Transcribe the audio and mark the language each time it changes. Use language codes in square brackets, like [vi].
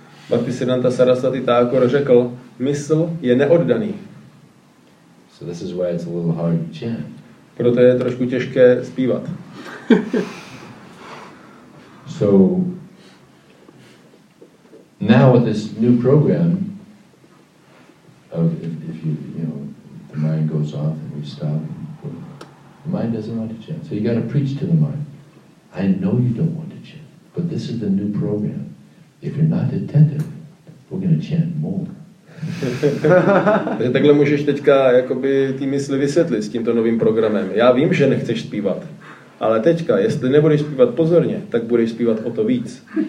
[cs] Bhaktisiddhanta Saraswati Thakur řekl, mysl je neoddaný. [en] So this is why it's a little hard to chant. [cs] Proto je trošku těžké zpívat. [en] So now with this new program of if you the mind goes off and we stop, the mind doesn't want to chant. So you got to preach to the mind. I know you don't want to chant, but this is the new program. If you're not attentive, we're going to chant more. [cs] Takže takhle můžeš teďka jakoby ty mysli vysvětlit s tímto novým programem. Já vím, že nechceš zpívat, ale teďka, jestli nebudeš zpívat pozorně, tak budeš zpívat o to víc.